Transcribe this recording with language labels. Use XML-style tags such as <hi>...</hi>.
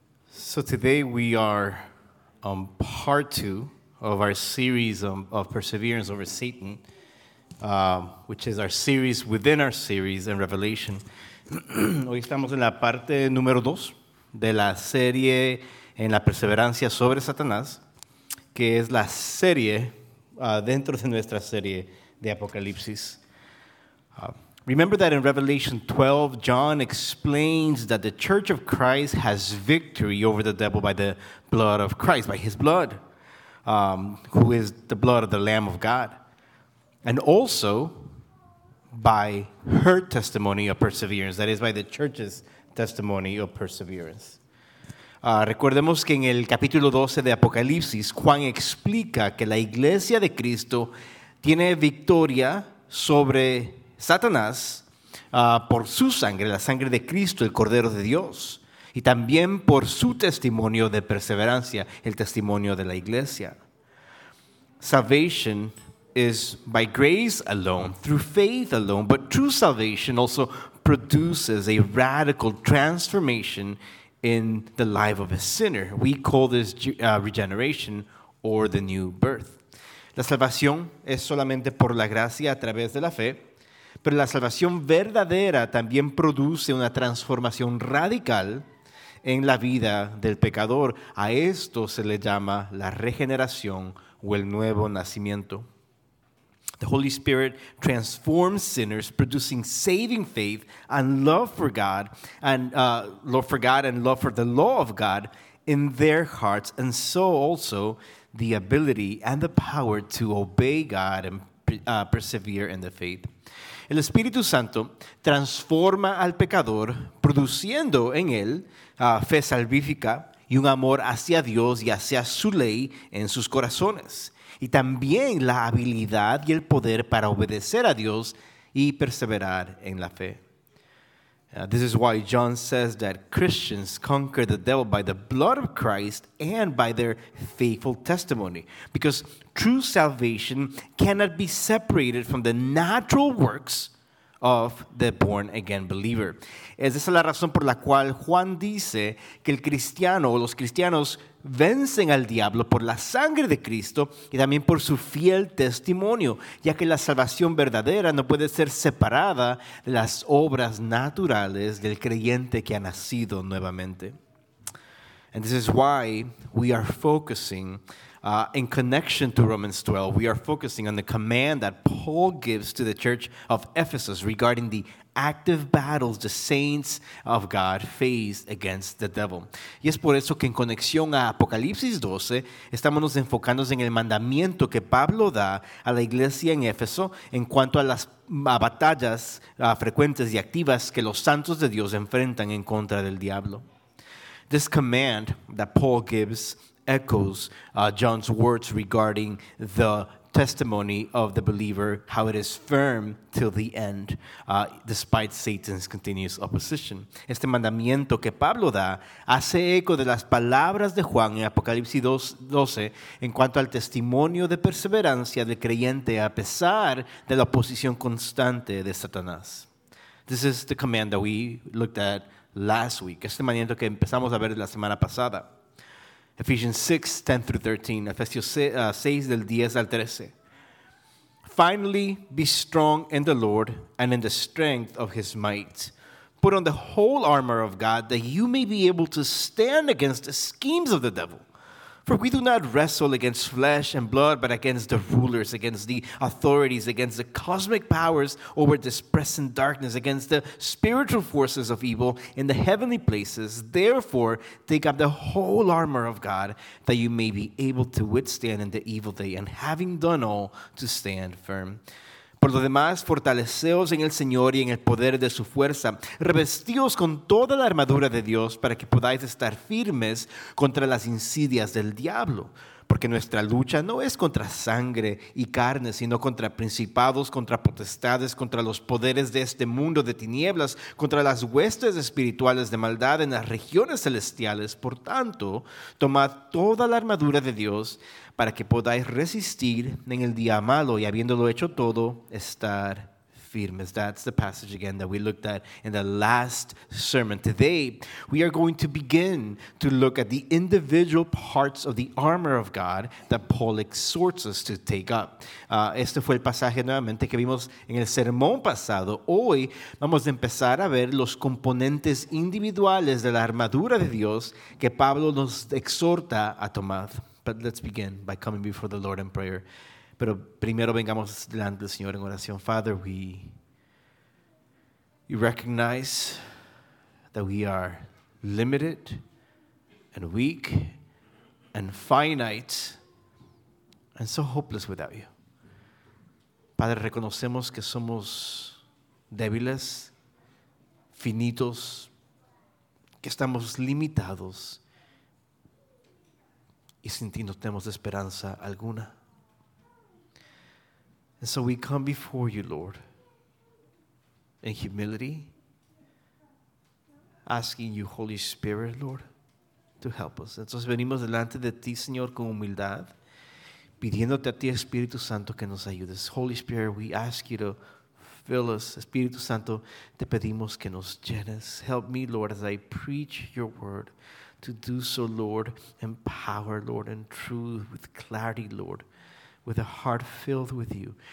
<en>So today we are part two of our series of Perseverance Over Satan, which is our series within our series in Revelation.</en> <es>Hoy estamos en la parte número dos de la serie en la perseverancia sobre Satanás, que es la serie dentro de nuestra serie de Apocalipsis.</es> <en>Remember that in Revelation 12, John explains that the Church of Christ has victory over the devil by the blood of Christ, by his blood, who is the blood of the Lamb of God, and also by her testimony of perseverance, that is, by the Church's testimony of perseverance.</en> <es>Recordemos que en el capítulo 12 de Apocalipsis, Juan explica que la Iglesia de Cristo tiene victoria sobre Satanás, por su sangre, la sangre de Cristo, el Cordero de Dios, y también por su testimonio de perseverancia, el testimonio de la iglesia.</es> <en>Salvation is by grace alone, through faith alone, but true salvation also produces a radical transformation in the life of a sinner. We call this regeneration or the new birth.</en> <es>La salvación es solamente por la gracia a través de la fe. Pero la salvación verdadera también produce una transformación radical en la vida del pecador. A esto se le llama la regeneración o el nuevo nacimiento.</es> <en>The Holy Spirit transforms sinners, producing saving faith and love for God and love for the law of God in their hearts, and so also the ability and the power to obey God and persevere in the faith.</en> <es>El Espíritu Santo transforma al pecador, produciendo en él fe salvífica y un amor hacia Dios y hacia su ley en sus corazones, y también la habilidad y el poder para obedecer a Dios y perseverar en la fe.</es> <en>This is why John says that Christians conquer the devil by the blood of Christ and by their faithful testimony. Because true salvation cannot be separated from the natural works of the born-again believer.</en> <es>Esa es la razón por la cual Juan dice que el cristiano o los cristianos vencen al diablo por la sangre de Cristo y también por su fiel testimonio, ya que la salvación verdadera no puede ser separada de las obras naturales del creyente que ha nacido nuevamente.</es> <en>And this is why we are focusing in connection to Romans 12, we are focusing on the command that Paul gives to the church of Ephesus regarding the active battles the saints of God face against the devil.</en> <es>Y es por eso que en conexión a Apocalipsis 12, estamos nos enfocando en el mandamiento que Pablo da a la iglesia en Éfeso en cuanto a las batallas frecuentes y activas que los santos de Dios enfrentan en contra del diablo.</es> <en>This command that Paul gives echoes John's words regarding the testimony of the believer, how it is firm till the end, despite Satan's continuous opposition.</en> <es>Este mandamiento que Pablo da hace eco de las palabras de Juan en Apocalipsis 12 en cuanto al testimonio de perseverancia del creyente a pesar de la oposición constante de Satanás.</es> <en>This is the command that we looked at last week.</en> <es>Este mandamiento que empezamos a ver la semana pasada.</es> <en>Ephesians 6, 10 through 13. Ephesians 6,</en> <es>del 10 al 13.</es> <en>Finally, be strong in the Lord and in the strength of his might. Put on the whole armor of God that you may be able to stand against the schemes of the devil. For we do not wrestle against flesh and blood, but against the rulers, against the authorities, against the cosmic powers over this present darkness, against the spiritual forces of evil in the heavenly places. Therefore, take up the whole armor of God, that you may be able to withstand in the evil day, and having done all, to stand firm.</en> <es>Por lo demás, fortaleceos en el Señor y en el poder de su fuerza. Revestíos con toda la armadura de Dios para que podáis estar firmes contra las insidias del diablo. Porque nuestra lucha no es contra sangre y carne, sino contra principados, contra potestades, contra los poderes de este mundo de tinieblas, contra las huestes espirituales de maldad en las regiones celestiales. Por tanto, tomad toda la armadura de Dios para que podáis resistir en el día malo y, habiéndolo hecho todo, estar firmes.</es> <en>That's the passage again that we looked at in the last sermon. Today, we are going to begin to look at the individual parts of the armor of God that Paul exhorts us to take up.</en> <es>Este fue el pasaje nuevamente que vimos en el sermón pasado. Hoy vamos a empezar a ver los componentes individuales de la armadura de Dios que Pablo nos exhorta a tomar.</es> <en>But let's begin by coming before the Lord in prayer.</en> <es>Pero primero vengamos delante del Señor en oración.</es> <en>Father, we recognize that we are limited and weak and finite and so hopeless without you.</en> <es>Padre, reconocemos que somos débiles, finitos, que estamos limitados y sin ti no tenemos esperanza alguna.</es> <en>And so we come before you, Lord, in humility, asking you, Holy Spirit, Lord, to help us.</en> <es>Entonces venimos delante de ti, Señor, con humildad, pidiéndote a ti, Espíritu Santo, que nos ayudes.</es> <en>Holy Spirit, we ask you to fill us.</en> <es>Espíritu Santo, te pedimos que nos llenes.</es> <en>Help me, Lord, as I preach your word, to do so, Lord, in power, Lord, in truth, with clarity, Lord, with a heart filled with you.</en>